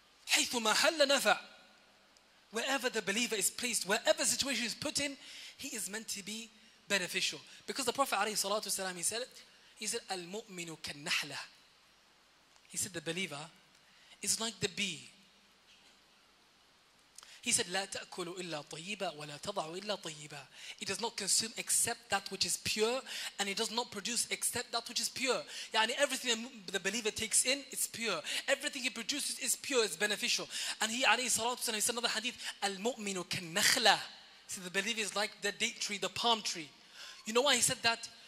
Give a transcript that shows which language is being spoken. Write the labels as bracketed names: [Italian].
[Arabic] حَيْثُمَا حَلَّ نَفَعْ. [English] Wherever the believer is placed, wherever situation is put in, he is meant to be beneficial. Because the Prophet [Arabic] عليه الصلاة والسلام, [English] he said, [Arabic] الْمُؤْمِنُ كَالنَّحْلَةِ. [English] He said, the believer is like the bee. He said, [Arabic] لَا تَأْكُلُ إِلَّا طَيِّبًا وَلَا تَضَعُ إِلَّا طَيِّبًا. [English] It does not consume except that which is pure, and it does not produce except that which is pure. Yani everything the believer takes in, it's pure. Everything he produces is pure, it's beneficial. And he, [Arabic] عليه الصلاة والسلام, [English] he said another hadith, [Arabic] الْمُؤْمِنُ كَالنَّخْلَةِ. [English] He said, the believer is like the date tree, the palm tree. You know why he said that?